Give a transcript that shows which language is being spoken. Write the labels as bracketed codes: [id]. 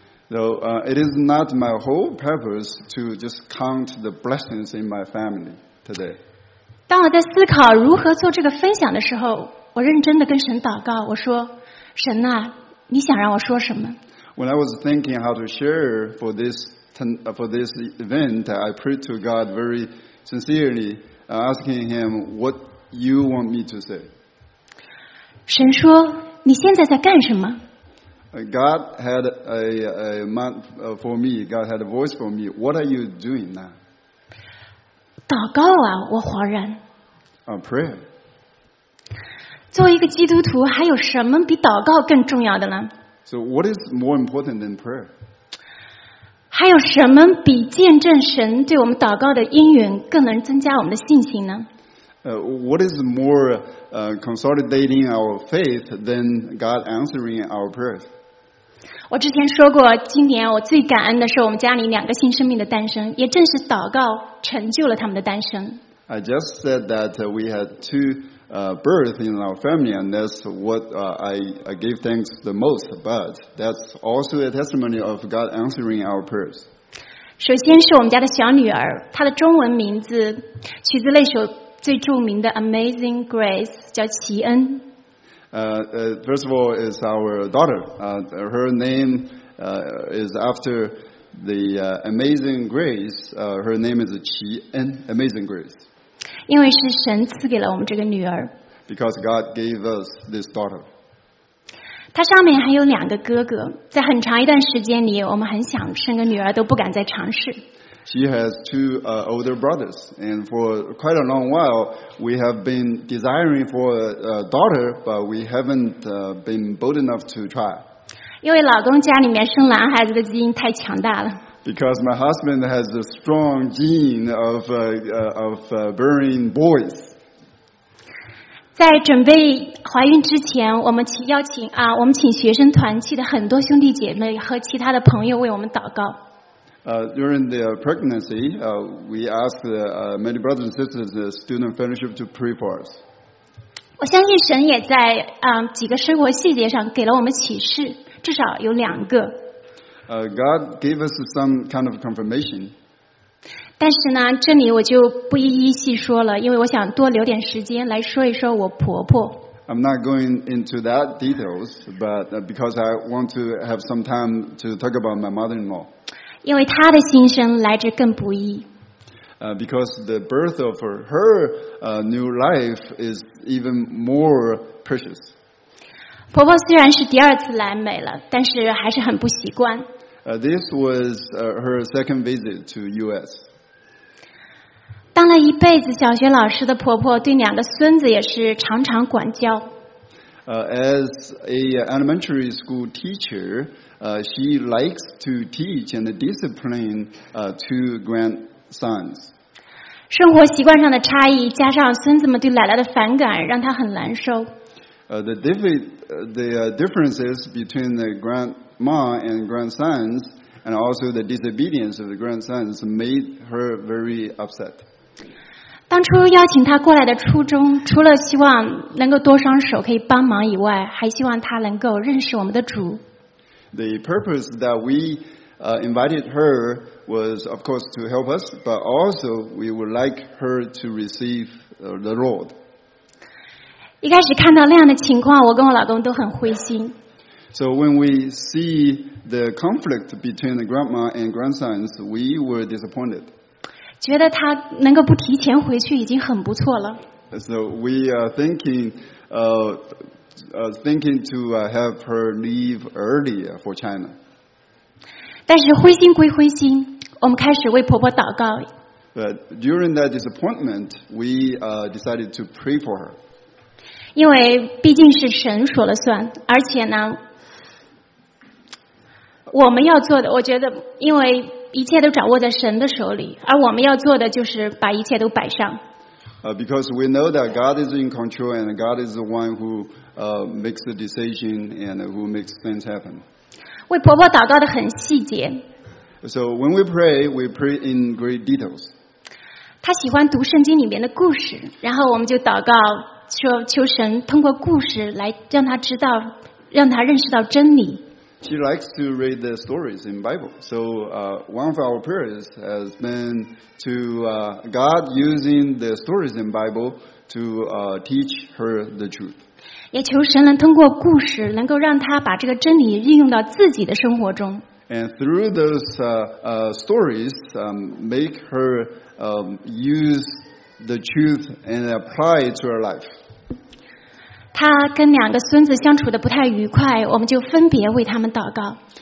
[en] Though it is not my whole purpose to just count the blessings in my family today. [zh] 当我在思考如何做这个分享的时候。我认真地跟神祷告，我说：“神啊，你想让我说什么？” [en] When I was thinking how to share for this event, I prayed to God very sincerely, asking Him what you want me to say. [zh] 神说：“你现在在干什么？” [en] God had a mind for me. God had a voice for me. What are you doing now? [zh] 祷告啊，我恍然。 [en] A prayer. [zh] 作为一个基督徒，还有什么比祷告更重要的呢？ [en] So what is more important than prayer? [zh] 还有什么比见证神对我们祷告的应允更能增加我们的信心呢？ [en] What is more consolidating our faith than God answering our prayers? [zh] 我之前说过，今年我最感恩的是我们家里两个新生命的诞生，也正是祷告成就了他们的诞生。 [en] I just said that we had two birth in our family, and that's what I give thanks the most. But that's also a testimony of God answering our prayers. [zh] 首先是我们家的小女儿，她的中文名字取自那首最著名的《Amazing Grace》，叫奇恩。 [en] First of all, is our daughter. Her name is after the Amazing Grace. Her name is 奇恩 Amazing Grace. [zh] 因为是神赐给了我们这个女儿。 [en] Because God gave us this daughter. [zh] 她上面还有两个哥哥，在很长一段时间里，我们很想生个女儿，都不敢再尝试。 [en] She has two older brothers, and for quite a long while, we have been desiring for a daughter, but we haven't been bold enough to try. [zh] 因为老公家里面生男孩子的基因太强大了。 [en] Because my husband has a strong gene of bearing boys. [zh] 在准备怀孕之前，我们请学生团契的很多兄弟姐妹和其他的朋友为我们祷告。 [en] During the pregnancy, we asked many brothers and sisters, the student fellowship, to pray for us. [zh] 我相信神也在几个生活细节上给了我们启示，至少有两个。 [en] God gave us some kind of confirmation. [zh] 但是呢，这里我就不一一细说了，因为我想多留点时间来说一说我婆婆。 [en] I'm not going into that details, but because I want to have some time to talk about my mother-in-law. [zh] 因为她的心声来着更不易。 [en] Because the birth of her new life is even more precious. [zh] 婆婆虽然是第二次来美了，但是还是很不习惯。 [en] This was her second visit to U.S. [zh] 当了一辈子小学老师的婆婆对两个孙子也是常常管教。 [en] As a elementary school teacher, she likes to teach and discipline two grandsons. [zh] 生活习惯上的差异加上孙子们对奶奶的反感让她很难受。 [en] The differences between the grandma and grandsons and also the disobedience of the grandsons made her very upset. [zh] 当初邀请她过来的初衷除了希望能够多双手可以帮忙以外还希望她能够认识我们的主。 [en] The purpose that we invited her was of course to help us, but also we would like her to receive the Lord. [zh] 一开始看到那样的情况我跟我老公都很灰心。 [en] So when we see the conflict between the grandma and grandsons, we were disappointed. [zh] 觉得他能够不提前回去已经很不错了。 [en] So we are thinking to have her leave earlier for China. [zh] 但是灰心归灰心，我们开始为婆婆祷告。 [en] But during that disappointment, we decided to pray for her. [zh] 因为毕竟是神说了算，而且呢，我们要做的，我觉得，因为一切都掌握在神的手里，而我们要做的就是把一切都摆上。 [en] Because we know that God is in control and God is the one who makes the decision and who makes things happen. [zh] 为婆婆祷告的很细节。 [en] So when we pray in great details. [zh] 她喜欢读圣经里面的故事，然后我们就祷告说求神通过故事来让她知道，让她认识到真理。 [en] She likes to read the stories in the Bible. So one of our prayers has been to God using the stories in the Bible to teach her the truth. [zh] 也求神能通过故事能够让她把这个真理运用到自己的生活中。 [en] And through those stories, make her use the truth and apply it to her life. [zh] 他跟两个孙子相处的不太愉快，我们就分别为他们祷告。